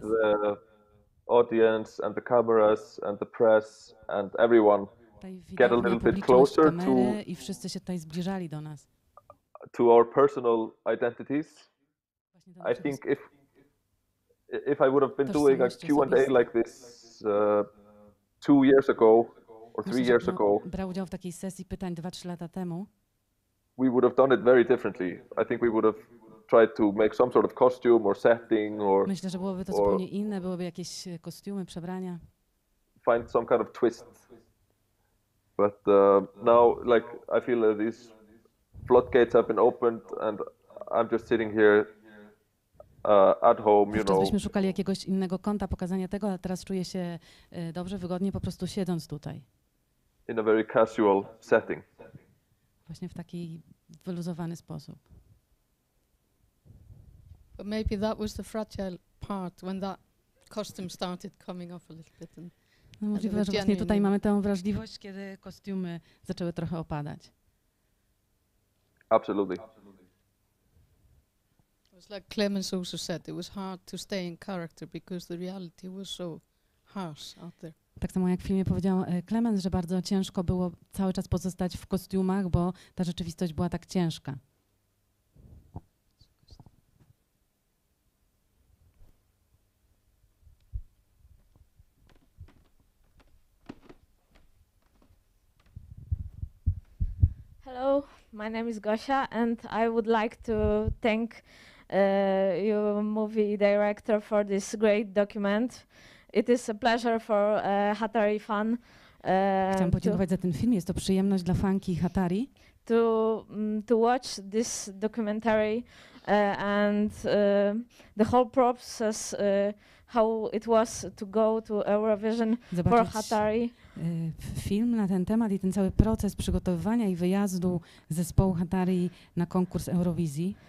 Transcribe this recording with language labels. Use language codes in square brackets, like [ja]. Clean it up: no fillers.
[en] the audience and the cameras and the press and everyone get a little bit closer to [pl] i wszyscy się tutaj zbliżali do nas. [en] To our personal identities. I think if I would have been doing a Q&A like this 2 years ago or 3 years ago, [pl] brał udział w takiej sesji pytań 2-3 lata temu, [en] we would have done it very differently. I think we would have tried to make some sort of costume or setting or. [pl] Myślę, że byłoby to zupełnie inne, byłoby jakieś kostiumy, przebrania. [en] Find some kind of twist. But now, like, I feel that these floodgates have been opened and I'm just sitting here at home, you know. [pl] Wcześniej szukali jakiegoś innego kąta pokazania tego, a teraz czuję się dobrze, wygodnie, po prostu siedząc tutaj. [en] In a very casual setting. [pl] Właśnie w taki wyluzowany sposób. [en] But maybe that was the fragile part when that costume started coming off a little bit. [pl] No możliwe, że właśnie tutaj mamy tę wrażliwość, kiedy kostiumy zaczęły trochę opadać. [en] Absolutely. It was like Clemens also said, it was hard to stay in character because the reality was so harsh out there. [pl] Tak samo jak w filmie powiedział Clemens, że bardzo ciężko było cały czas pozostać w kostiumach, bo ta rzeczywistość była tak ciężka. [en] Hello, my name is Gosia and I would like to thank you, movie director, for this great document. It is a pleasure for a Hatari fan. [pl] Chciałam podziękować za ten film. Jest to przyjemność dla fanki Hatari. [en] To watch this documentary and the whole process, how it was to go to Eurovision [pl] zobaczyć [en] for Hatari. [pl] Film na ten temat i ten cały proces przygotowywania i wyjazdu zespołu Hatari na konkurs Eurowizji.